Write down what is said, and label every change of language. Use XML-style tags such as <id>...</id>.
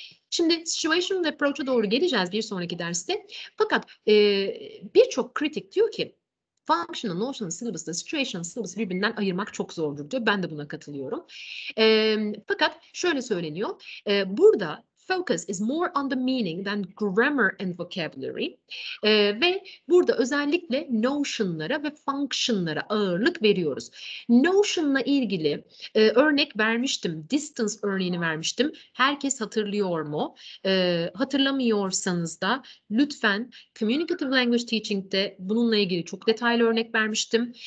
<tr>Şimdi situational approach'a doğru geleceğiz bir sonraki derste. Fakat birçok kritik diyor ki functional, notional syllabus ile situational syllabus birbirinden ayırmak çok zordur diyor. Ben de buna katılıyorum. Fakat şöyle söyleniyor. Burada</tr> <en>focus is more on the meaning than grammar and vocabulary.</en> <tr>Ve burada özellikle notion'lara ve function'lara ağırlık veriyoruz. Notion'la ilgili örnek vermiştim. Distance örneğini vermiştim. Herkes hatırlıyor mu? Hatırlamıyorsanız da lütfen Communicative Language Teaching'de bununla ilgili çok detaylı örnek vermiştim.</tr>